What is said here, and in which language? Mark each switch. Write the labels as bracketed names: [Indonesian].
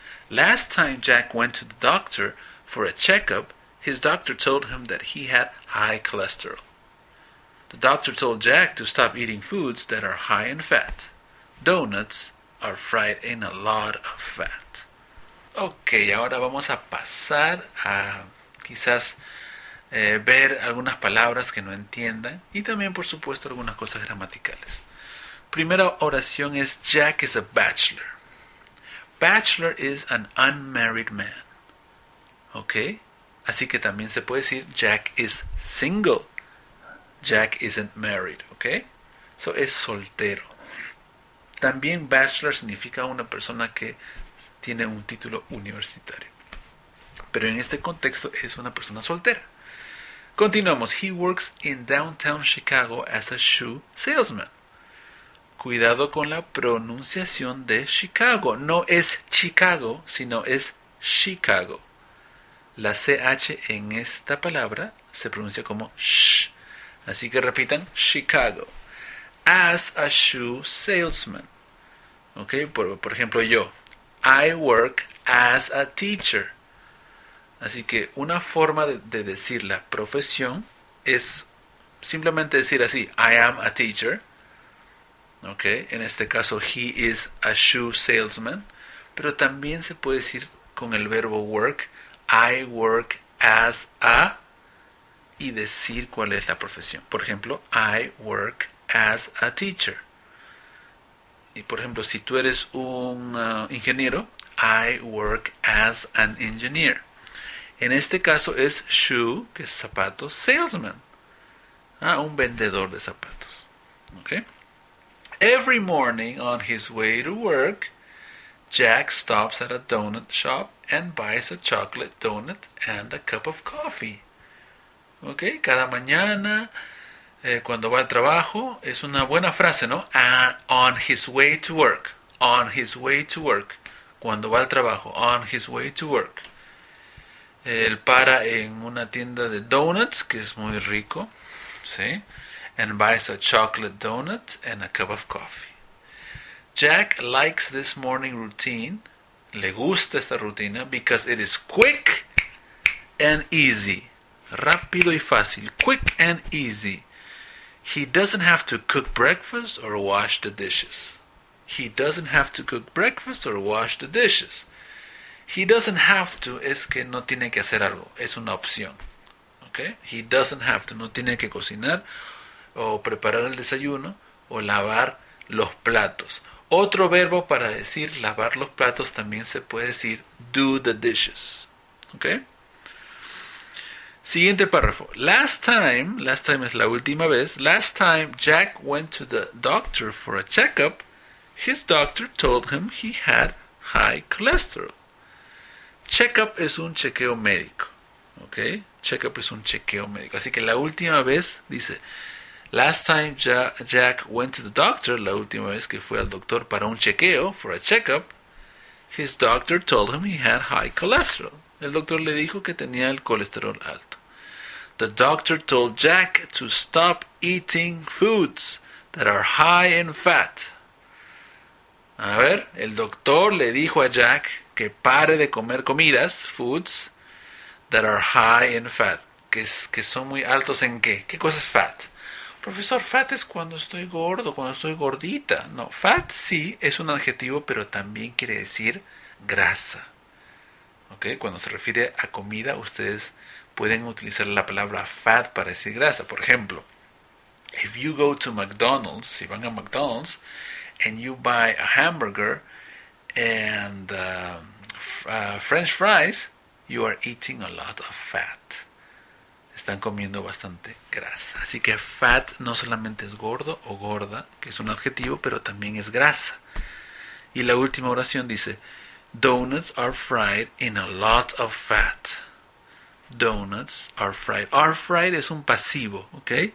[English] Last time Jack went to the doctor for a checkup, his doctor told him that he had high cholesterol. The doctor told Jack to stop eating foods that are high in fat. Donuts are fried in a lot of fat. [Spanish] Ok, ahora vamos a pasar a quizás ver algunas palabras que no entiendan y también, por supuesto, algunas cosas gramaticales. Primera oración es [English] Jack is a bachelor. Bachelor is an unmarried man. [Spanish] Ok, así que también se puede decir [English] Jack is single. Jack isn't married, ok. So, [Spanish] es soltero. También bachelor significa una persona que tiene un título universitario. Pero en este contexto es una persona soltera. Continuamos. [English] He works in downtown Chicago as a shoe salesman. [Spanish] Cuidado con la pronunciación de Chicago. No es Chicago, sino es Chicago. La CH en esta palabra se pronuncia como sh. Así que repitan, [English] Chicago. As a shoe salesman. Okay, [Spanish] por ejemplo, yo. [English] I work as a teacher. [Spanish] Así que una forma de decir la profesión es simplemente decir así, [English] I am a teacher. Okay, [Spanish] en este caso, [English] he is a shoe salesman. [Spanish] Pero también se puede decir con el verbo work, [English] I work as a, [Spanish] y decir cuál es la profesión. Por ejemplo, [English] I work as a teacher. [Spanish] Y por ejemplo, si tú eres un ingeniero, [English] I work as an engineer. [Spanish] En este caso es shoe, que es zapato, salesman. Ah, un vendedor de zapatos. [English] Okay. Every morning on his way to work, Jack stops at a donut shop and buys a chocolate donut and a cup of coffee. [Spanish] Okay, cada mañana cuando va al trabajo, es una buena frase, ¿no? [English] On his way to work. On his way to work. [Spanish] Cuando va al trabajo. [English] On his way to work. [Spanish] Él para en una tienda de donuts, que es muy rico, ¿sí? [English] And buys a chocolate donut and a cup of coffee. Jack likes this morning routine. [Spanish] Le gusta esta rutina [English] because it is quick and easy. [Spanish] Rápido y fácil. [English] Quick and easy. He doesn't have to cook breakfast or wash the dishes. He doesn't have to cook breakfast or wash the dishes. He doesn't have to [Spanish] es que no tiene que hacer algo. Es una opción. Okay? [English] He doesn't have to. [Spanish] No tiene que cocinar o preparar el desayuno o lavar los platos. Otro verbo para decir lavar los platos también se puede decir [English] do the dishes. [Spanish] Okay? Siguiente párrafo. [English] Last time [Spanish] es la última vez. [English] Last time Jack went to the doctor for a checkup, his doctor told him he had high cholesterol. [Spanish] Checkup es un chequeo médico. Okay? Checkup es un chequeo médico. Así que la última vez, dice, [English] last time Jack went to the doctor, [Spanish] la última vez que fue al doctor para un chequeo, [English] for a checkup, his doctor told him he had high cholesterol. [Spanish] El doctor le dijo que tenía el colesterol alto. [English] The doctor told Jack to stop eating foods that are high in fat. [Spanish] A ver, el doctor le dijo a Jack que pare de comer comidas, foods, [English] that are high in fat. [Spanish] Que son muy altos en qué? ¿Qué cosa es fat? Profesor, fat es cuando estoy gordo, cuando estoy gordita. No, fat sí es un adjetivo, pero también quiere decir grasa. ¿Ok? Cuando se refiere a comida, ustedes pueden utilizar la palabra fat para decir grasa. [English] Por ejemplo, if you go to McDonald's, [Spanish] si van a McDonald's, [English] and you buy a hamburger and french fries, you are eating a lot of fat. [Spanish] Están comiendo bastante grasa. Así que fat no solamente es gordo o gorda, que es un adjetivo, pero también es grasa. Y la última oración dice, [English] donuts are fried in a lot of fat. Donuts are fried. Are fried [Spanish] es un pasivo, [English] ¿ok?